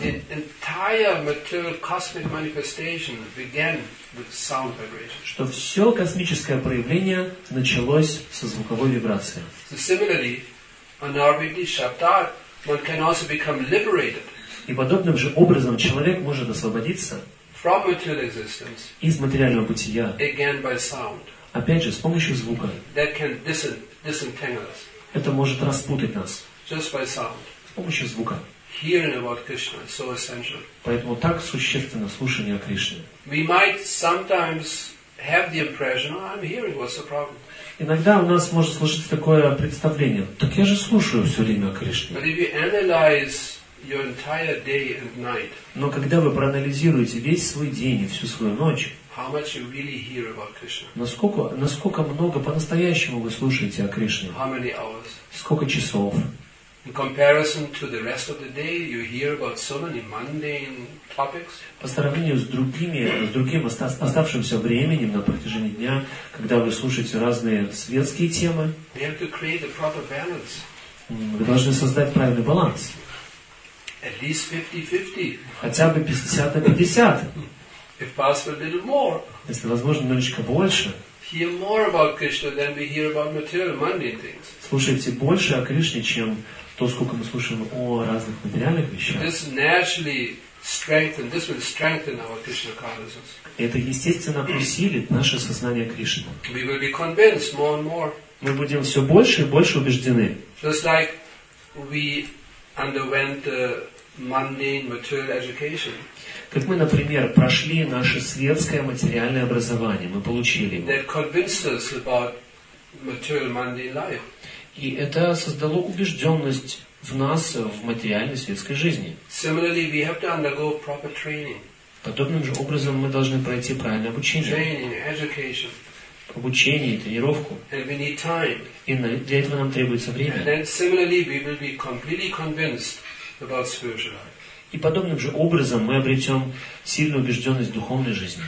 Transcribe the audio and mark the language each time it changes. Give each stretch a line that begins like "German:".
English: The entire material cosmic manifestation began with sound vibration.
Russian: Что все космическое проявление началось со звуковой вибрации.
English: So similarly, Anavriti Shabdat, one can also become liberated.
Russian: И подобным же образом человек может освободиться
English: from material existence
Russian: из материального бытия
English: again by sound.
Russian: Опять же, с помощью звука.
English: That can disentangle us.
Russian: Это может распутать нас.
English: Just by sound.
Russian: С помощью звука.
English: Hearing about Krishna is so essential.
Russian: Поэтому так существенно слушание о Кришне.
English: We might sometimes have the impression, oh, I'm hearing, what's the problem?
Russian: Иногда у нас может сложиться такое представление, так я же слушаю все время о Кришне.
English: But if you analyze your entire day and night,
Russian: но когда вы проанализируете весь свой день и всю свою ночь,
English: how much you really hear about Krishna?
Russian: Насколько много по-настоящему вы слушаете о Кришне?
English: How many hours?
Russian: Сколько часов?
English: In comparison to the rest of the day, you hear about so many mundane topics.
Russian: По сравнению с другим оставшимся временем на протяжении дня, когда вы слушаете разные светские темы,
English: we have to create a proper balance.
Russian: Вы должны создать правильный баланс.
English: At least 50-50.
Russian: Хотя бы 50-50.
English: If possible, a little more.
Russian: Если возможно, немножечко больше.
English: Hear more about Krishna than we hear about material mundane things.
Russian: Слушайте больше о Кришне, чем то, сколько мы слушаем о разных материальных вещах.
English: This naturally strengthens. This will strengthen our Krishna consciousness.
Russian: Это естественно усилит наше сознание Кришны.
English: We will be convinced more and more.
Russian: Мы будем все больше и больше убеждены.
English: Just like we underwent a mundane material education.
Russian: Как мы, например, прошли наше светское материальное образование, мы получили его.
English: That convinced us about material mundane life.
Russian: И это создало убежденность в нас в материальной светской жизни.
English: Similarly, we have to undergo proper training.
Russian: Подобным же образом мы должны пройти правильное обучение.
English: Training, education.
Russian: Обучение, тренировку.
English: And we need time.
Russian: И для этого нам требуется время.
English: And then similarly, we will be completely convinced about spiritual life.
Russian: И подобным же образом мы обретем сильную убежденность в духовной жизни.